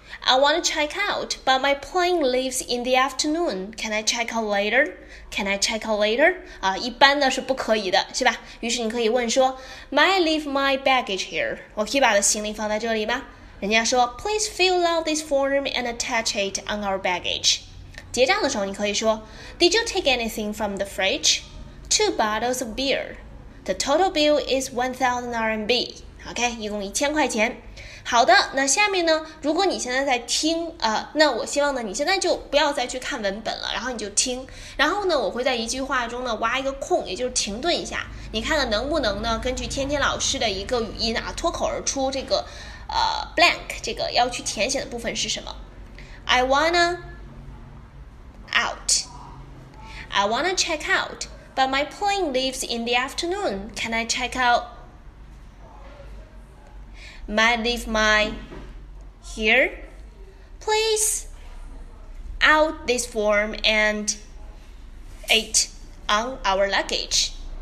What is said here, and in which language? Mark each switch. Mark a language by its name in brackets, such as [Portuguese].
[English] I want to check out but my plane leaves in the afternoon， can I check out later？ Can I check out later？ [Chinese] 啊，一般呢是不可以的，是吧？于是你可以问说 [English] May I leave my baggage here， [Chinese] 我可以把我的行李放在这里吗？人家说 [English] Please fill out this form and attach it on our baggage。 [Chinese] 结账的时候你可以说 [English] Did you take anything from the fridge? Two bottles of beer. The total bill is 1000 RMB. [Chinese] OK， 一共1000块钱。好的，那下面呢，如果你现在在听那我希望呢你现在就不要再去看文本了，然后你就听，然后呢我会在一句话中呢挖一个空，也就是停顿一下，你看看能不能呢根据天天老师的一个语音啊脱口而出这个blank， 这个要去填写的部分是什么。 [English] I wanna out. I wanna check out, but my plane leaves in the afternoon. Can I check out? Might leave my here? Please out this form and eight on our luggage.